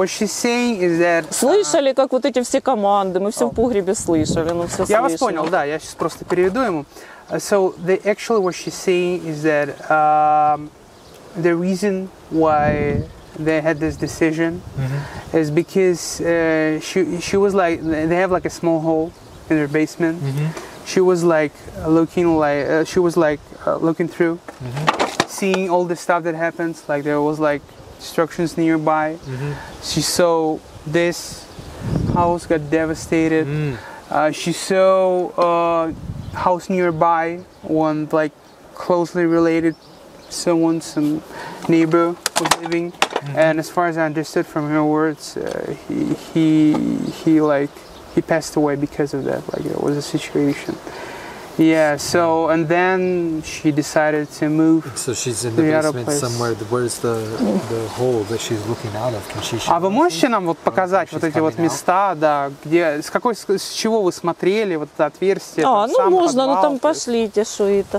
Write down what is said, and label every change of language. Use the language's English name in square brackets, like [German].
[Russian] Слышали, как вот эти все команды, мы все в погребе слышали, ну все Я вас понял, да, я сейчас просто переведу ему. [English] So, the, actually, what she's saying is that the reason why they had this decision mm-hmm. is because she was like, they have like a small hole in their basement. Mm-hmm. She was like looking like, she was like looking through. Mm-hmm. Seeing all the stuff that happens, like there was like destructions nearby. Mm-hmm. She saw this house got devastated. Mm. She saw a house nearby, one like closely related someone, some neighbor was living. Mm-hmm. And as far as I understood from her words, he passed away because of that. Like it was a situation. Yeah, so, and then she decided to move. So she's in the basement somewhere. Where's the hole that she's looking out of? Can she show? [Russian] А вы можете нам вот показать вот эти вот места, да, где, с какой, с чего вы смотрели вот это отверстие? А, ну можно, ну там пошлите, что это.